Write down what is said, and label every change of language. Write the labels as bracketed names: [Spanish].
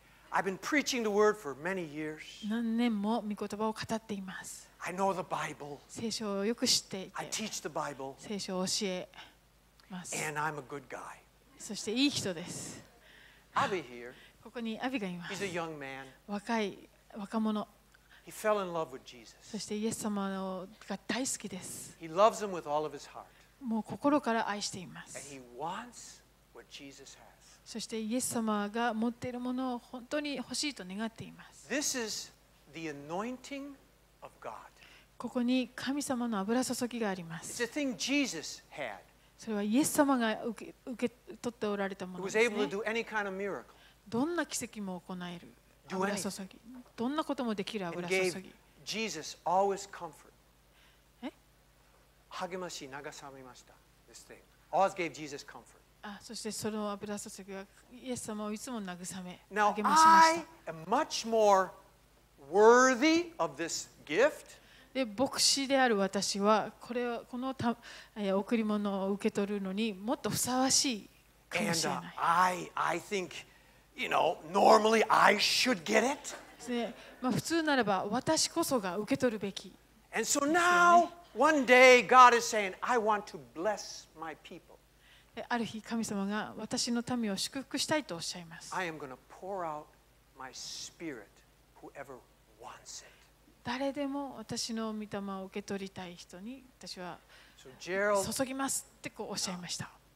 [English] I've been preaching the word for many years. [Japanese] 何年も御言葉を語っています。 [English] I know the Bible. [Japanese] 聖書をよく知っていて。 [English] I teach the Bible. [Japanese] 聖書を教えます。 [English] And I'm a good guy. [Japanese] そしていい人です。ここにアビがいます。 [English] He's a young man. [Japanese] 若者。 [English] He fell in love with Jesus. [Japanese] そしてイエス様が大好きです。 [English] He loves him with all of his heart. [Japanese] もう心から愛しています。 [English] And he wants what Jesus has. [Japanese] そしてイエス様が持っているものを本当に欲しいと願っています。 [English] This is the anointing of God. [Japanese] ここに神様の油注ぎがあります。 [English] It's a thing Jesus had. [Japanese] それはイエス様が受け取っておられたものですね。 [English] Kind of [Japanese] どんな奇跡も行える油注ぎ、どんなこともできる油注ぎ。 [English] Jesus always comfort. [Japanese] え？励まし、慰めました。 [English] This thing always gave Jesus comfort. [Japanese] あ、そしてその油注ぎがイエス様をいつも慰め、 [English] Now, [Japanese] 励ましました。 [English] I am much more worthy of this gift. [Japanese] で牧師である私はこれこの贈り物を受け取るのにもっとふさわしいかもしれない。 [English] I think, you know, normally I should get it. [Japanese] で、まあ普通ならば私こそが受け取るべき。 [English] And so now, one day, God is saying, I want to bless my people. [Japanese] ある日神様が私の民を祝福したいとおっしゃいます。 [English] I am going to pour out my spirit, whoever wants it. [Japanese] 誰でも私の御霊を受け取りたい人に私は注ぎますってこうおっしゃいました。